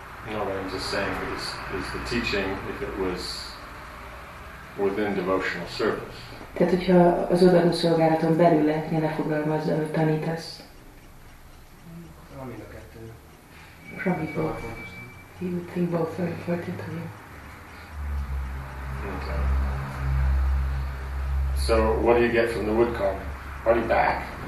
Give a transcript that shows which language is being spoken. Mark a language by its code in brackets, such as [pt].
[en] No, what I'm just saying is the teaching, if it was within devotional service. [hu] Tehát, hogyha az odaadó szolgálaton belül lehetnéne fogalmazni, amit tanítasz. [en] Probably both. You would think both are important to you. Okay. So, what do you get from the wood carving? What do you back?